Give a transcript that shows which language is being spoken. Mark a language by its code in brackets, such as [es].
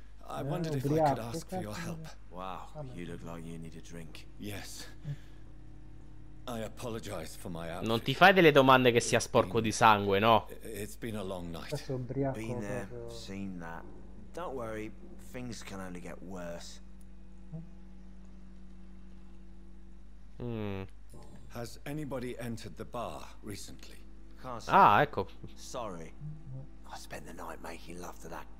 [en] I wondered if I could ask for your help. Wow, you look like you need a drink. Yes. I apologize for my [it] Non ti fai delle domande che sia sporco di sangue, no? [en] It's been a long night. Been there, seen that. Don't worry. Things can only get worse. Has anybody entered the bar recently? Can't say. [it] Ah, ecco. [en] Sorry. I spent the night making love to that